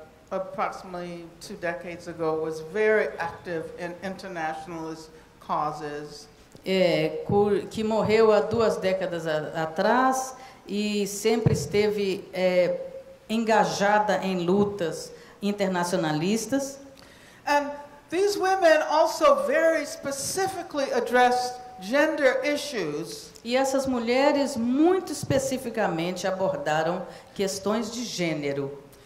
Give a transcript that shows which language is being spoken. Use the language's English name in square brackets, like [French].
[English] approximately two decades ago, was very active in internationalist causes. [Portuguese] Que morreu há duas décadas atrás e sempre esteve engajada em lutas internacionalistas. [English] And these women also very specifically addressed gender issues. [Portuguese] E essas mulheres muito especificamente abordaram questões de gênero.